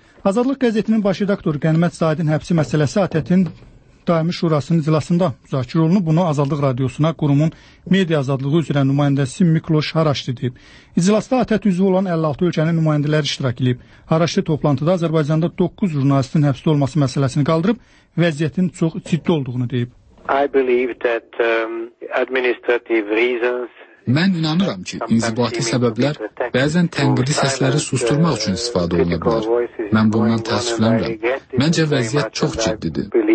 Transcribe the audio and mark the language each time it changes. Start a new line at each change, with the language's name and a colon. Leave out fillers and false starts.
Azerbaijani: Azadlıq qəzetinin baş redaktoru Qənimət Zahidin həbsi məsələsi ATƏT-in Daimi Şurasının iclasında müzakirə olunub, bunu Azadlıq Radiosuna qurumun media azadlığı üzrə nümayəndəsi Miqloş Haraşdı deyib. İclasda ATƏT üzvü olan 56 ölkənin nümayəndələri iştirak edib. Haraşdı toplantıda Azərbaycanda 9 jurnalistin həbsdə olması məsələsini qaldırıb, vəziyyətin çox ciddi olduğunu deyib.
English: I believe that administrative reasons.
Azerbaijani: Mən inanıram ki, inzibati səbəblər bəzən tənqidi səsləri susturmaq üçün istifadə oluna bilər. Mən bundan təəssüflənirəm. Məncə vəziyyət çox ciddidir.